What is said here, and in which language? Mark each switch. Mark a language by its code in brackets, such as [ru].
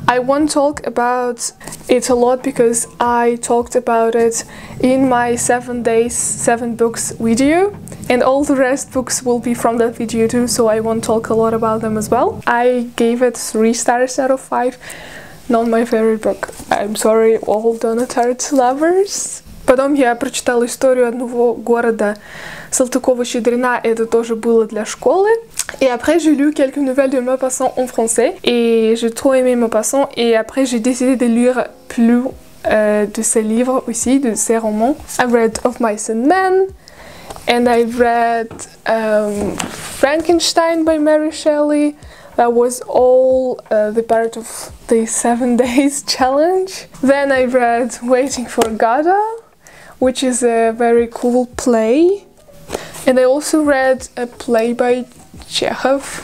[en] I won't talk about it a lot because I talked about it in my 7 days, 7 books video, and all the rest books will be from that video too, so I won't talk a lot about them as well. I gave it 3 stars out of 5, not my favorite book. I'm sorry, all Tone Tart lovers. [ru] Потом я прочитала историю одного города Салтыкова-Щедрина, это тоже было для школы. [fr] Et après, j'ai lu quelques nouvelles de Maupassant en français, et j'ai trop aimé Maupassant, et après, j'ai décidé de lire plus de ses livres aussi, de ses romans. [en] I've read Of Mice and Men, and I've read Frankenstein by Mary Shelley. That was all the part of the 7 days challenge. Then I read Waiting for Godot, which is a very cool play. And I also read a play by Chekhov.